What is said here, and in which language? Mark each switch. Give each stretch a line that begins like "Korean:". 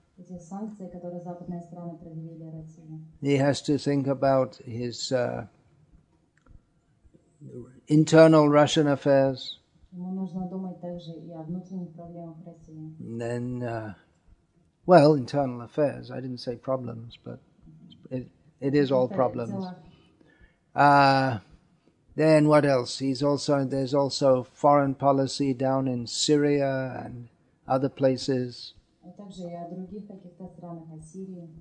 Russian: Эти санкции, которые западные страны предъявили России.
English: He has to think about his internal Russian affairs.
Russian: Ему нужно думать также и о внутренних проблемах России.
English: And then, well, internal affairs. I didn't say problems, but it is all problems. Then what else? There's also foreign policy down in Syria and other places.
Russian: Также и о других каких-то странах, о Сирии.